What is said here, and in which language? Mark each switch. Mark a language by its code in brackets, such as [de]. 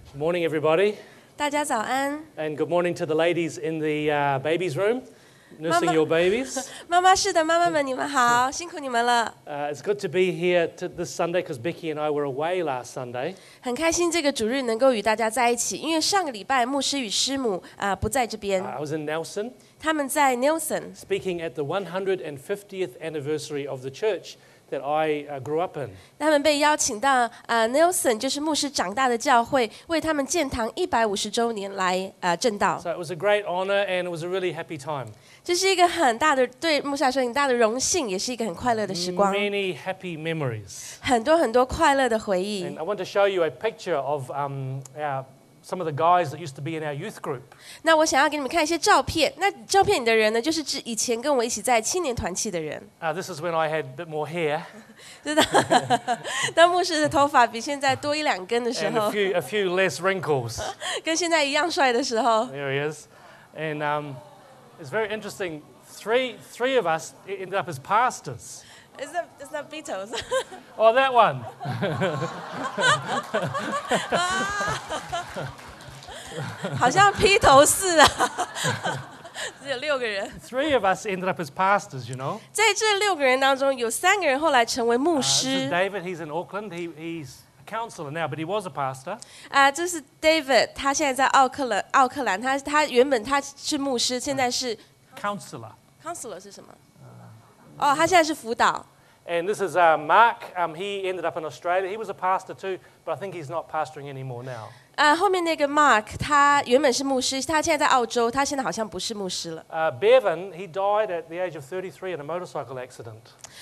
[en] Good morning, everybody. [zh] 大家早安。 [en] And good morning to the ladies in the baby's room, nursing your babies. [zh] 妈妈室的妈妈们，你们好，辛苦你们了。 [en] It's good to be here to this Sunday because Becky and I were away last Sunday. [zh] 很开心这个主日能够与大家在一起，因为上个礼拜牧师与师母不在这边。 [en] I was in Nelson. [zh] 他们在 Nelson. [en] Speaking at the 150th anniversary of the church. That I grew up in. [zh] 他们被邀请到Nelson 就是牧师长大的教会，为他们建堂150周年来证道。 [en] So it was a great honor, and it was a really happy time. [zh] 这是一个很大的对牧师来说很大的荣幸，也是一个很快乐的时光。 [en] Many happy memories. [zh] 很多很多快乐的回忆。 [en] And I want to show you a picture of some of the guys that used to be in our youth group. [zh] 那我想要给你们看一些照片。那照片里的人呢，就是指以前跟我一起在青年团契的人。 [en] This is when I had a bit more hair. [zh] 真的，当牧师的头发比现在多一两根的时候。 [en] And a few less wrinkles. [zh] 跟现在一样帅的时候。 [en] There he is. And it's very interesting. Three of us ended up as pastors. Is that Beatles? Oh, that one. [zh] 好像披头士啊，只有六个人。 [en] Three of us ended up as pastors, you know. [zh] 在这六个人当中，有三个人后来成为牧师。 [en] David, he's in Auckland. He's a counselor now, but he was a pastor. [zh] 这是 David, 他现在在奥克兰。他原本他是牧师，现在是 [en] counselor. [zh] Counselor 是什么？哦，他现在是辅导。 [en] And this is Mark. He ended up in Australia. He was a pastor too, but I think he's not pastoring anymore now. [zh] 后面那个 Mark, 他原本是牧师，他现在在澳洲，他现在好像不是牧师了。 [en] Bevan, he died at the age of 33 in a motorcycle accident.